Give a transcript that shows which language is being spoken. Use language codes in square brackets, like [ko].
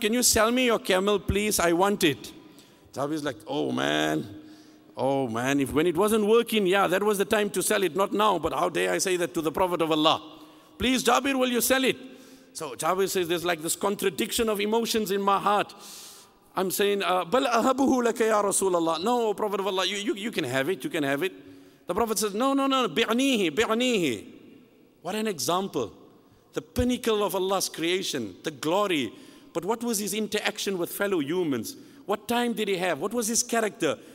[en] Can you sell me your camel, please? I want it. Jabir is like, oh man. If when it wasn't working, yeah, that was the time to sell it. Not now, but how dare I say that to the Prophet of Allah? Please, Jabir, will you sell it? So Jabir says, there's like this contradiction of emotions in my heart. I'm saying, [ar] بَلْ أَهَبُهُ لَكَ يَا رَسُولَ اللَّهِ. [en] No, Prophet of Allah, you can have it. The Prophet says, no, [ar] بِعْنِيهِ. [en] What an example. The pinnacle of Allah's creation, the glory. But what was his interaction with fellow humans? What time did he have? What was his character?